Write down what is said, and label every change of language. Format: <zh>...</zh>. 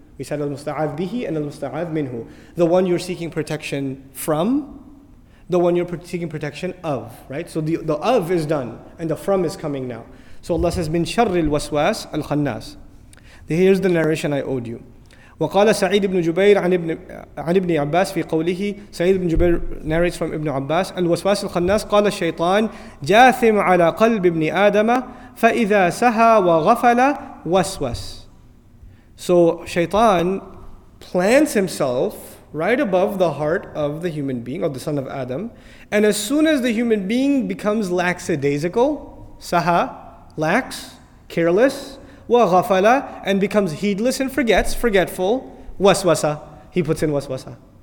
<en>We said al-musta'ad bihi and al-musta'ad minhu. The one you're seeking protection from, the one you're seeking protection of, right? So the of is done, and the from is coming now. So Allah says min sharril waswas al-khannas. Here's the narration I owed you.</en> <ar>وقال سعيد بن جبير عن ابن عباس في قوله سعيد بن جبير</ar> <en>narrates from</en> <ar>ابن عباس الوسواس الخناس قال الشيطان جاثم على قلب ابن آدم فإذا سهى وغفل وسوس.</ar> <en>So شيطان plants himself right above the heart of the human being, of the son of Adam, and as soon as the human being becomes lackadaisical, سهى, lax, careless, وَغَفَلَ, and becomes heedless and forgets, forgetful, waswasa, he puts in waswasa.</en>